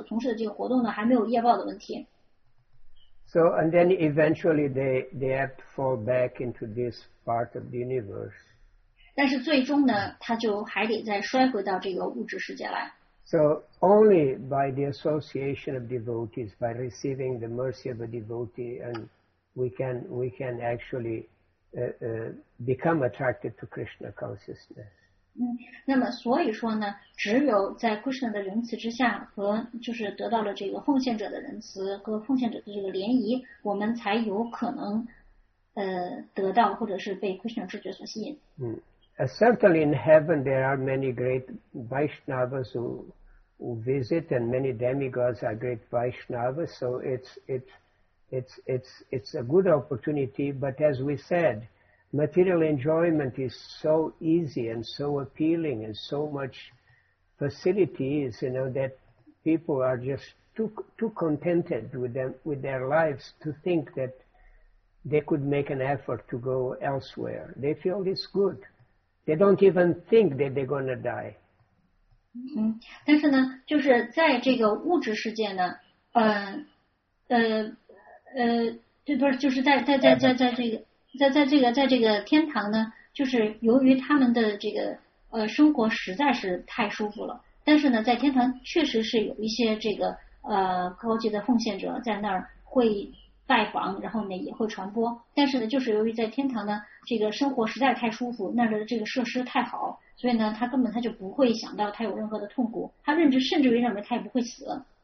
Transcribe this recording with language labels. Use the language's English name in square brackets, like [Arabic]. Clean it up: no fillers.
[Chinese] 但是呢，在这个天堂的问题呢，就是在天堂的生活实在是太舒服了，就这个享乐实在是太让人迷醉了，所以说呢，他就不会再想到他还要有这个自我觉悟的这个问题，而且呢，在这个天堂所从事的这个活动呢，还没有业报的问题。 [English] So, and then eventually they have to fall back into this part of the universe. [Chinese] 但是最终呢，他就还得再摔回到这个物质世界来。 [English] So, only by the association of devotees, by receiving the mercy of a devotee, and we can actually become attracted to Krishna consciousness. [Chinese] 那么所以说呢，只有在 Krishna 的仁慈之下和就是得到了这个奉献者的仁慈和奉献者的这个涟漪，我们才有可能得到或者是被 Krishna 智觉所吸引。 [English] Certainly in heaven there are many great Vaishnavas who visit, and many demigods are great Vaishnavas, so it's a good opportunity. But as we said, material enjoyment is so easy and so appealing and so much facilities, you know, that people are just too contented with their lives to think that they could make an effort to go elsewhere. They feel it's good. They don't even think that they're going to die. [Chinese] 但是呢，就是在这个物质世界呢，对，不是，就是在这个。在这个天堂呢，就是由于他们的这个生活实在是太舒服了，但是呢在天堂确实是有一些这个高级的奉献者在那儿会拜访，然后呢也会传播，但是呢就是由于在天堂呢这个生活实在太舒服，那儿的这个设施太好，所以呢他根本他就不会想到他有任何的痛苦，他甚至于认为他也不会死。